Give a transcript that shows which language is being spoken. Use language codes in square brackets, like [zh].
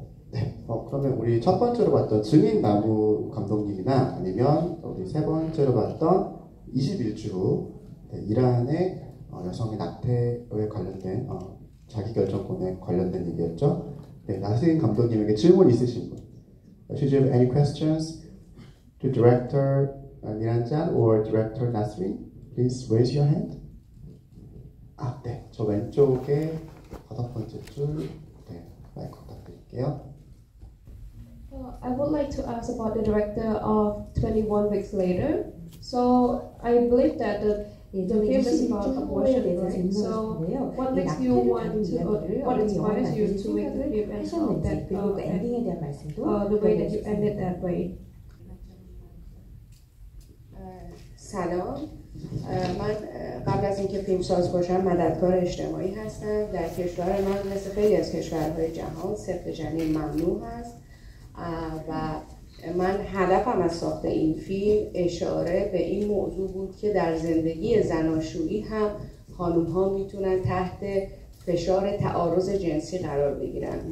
[ko] 네, 그러면 우리 첫 번째로 봤던 증인 나무 감독님이나 아니면 우리 세 번째로 봤던 21주 후 네, 이란의 여성의 낙태에 관련된 자기결정권에 관련된 얘기였죠. 네, 나스린 감독님에게 질문 있으신 분. [en] Should you have any questions to director Niranjan or director Nasrin? Please raise your hand. [ko] 아, 네, 저 왼쪽에 다섯 번째 줄 네, 마이크 부탁드릴게요. [en] I would like to ask about the director of 21 Weeks Later. So I believe that the film is about abortion, right? So what makes you want to, what inspires you to make the film and how that the way that you end it that way? [fa] سلام. من قبل از اینکه فیلم ساز باشم مددکار اجتماعی هستم. در کشور من مثل خیلی از کشورهای جهان سفت جنین ممنوع هست. و من هدفم از ساخت این فیلم اشاره به این موضوع بود که در زندگی زناشویی هم خانوم ها میتونن تحت فشار تعارض جنسی قرار بگیرن.